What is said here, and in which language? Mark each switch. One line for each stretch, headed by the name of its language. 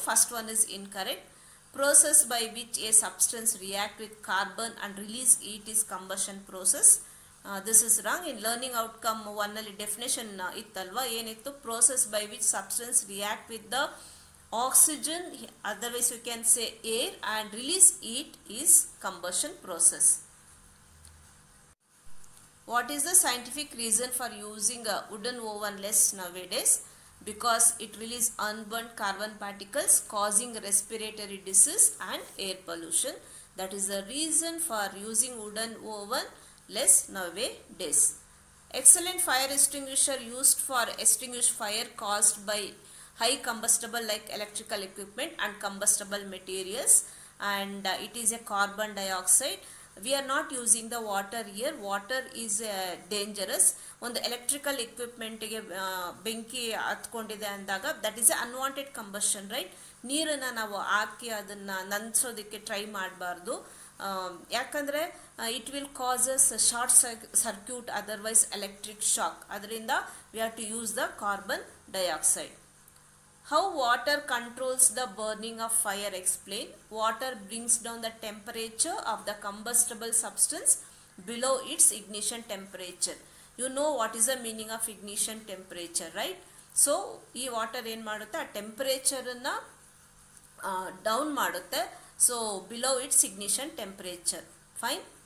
English: First one is incorrect. Process by which a substance react with carbon and release it is combustion process. This is wrong. In learning outcome one
Kannada: ಅಲ್ಲಿ
English: definition
Kannada: ಇತ್ತಲ್ವಾ, ಏನಿತ್ತು?
English: Process by which substance react with the oxygen, otherwise you can say air, and release it is combustion process. What is the scientific reason for using a wooden oven less nowadays? Because it releases unburnt carbon particles causing respiratory disease and air pollution. That is the reason for using wooden oven less nowadays. Excellent fire extinguisher used for extinguish fire caused by high combustible like electrical equipment and combustible materials, and it is a carbon dioxide. We are not using the water here. Water is dangerous. On the electrical equipment,
Kannada: ಬೆಂಕಿ ಹತ್ಕೊಂಡಿದೆ ಅಂದಾಗ
English: That is a unwanted combustion, right?
Kannada: ನೀರನ್ನು ನಾವು ಹಾಕಿ ಅದನ್ನು ನಂದಿಸೋದಕ್ಕೆ try ಮಾಡಬಾರ್ದು. ಯಾಕಂದರೆ
English: It will causes short circuit, otherwise electric shock.
Kannada: ಅದರಿಂದ
English: We have to use the carbon dioxide. How water controls the burning of fire, explain. Water brings down the temperature of the combustible substance below its ignition temperature. You know what is the meaning of ignition temperature, right? So,
Kannada: ee water en madutte temperature na down madutte,
English: so below its ignition temperature, fine.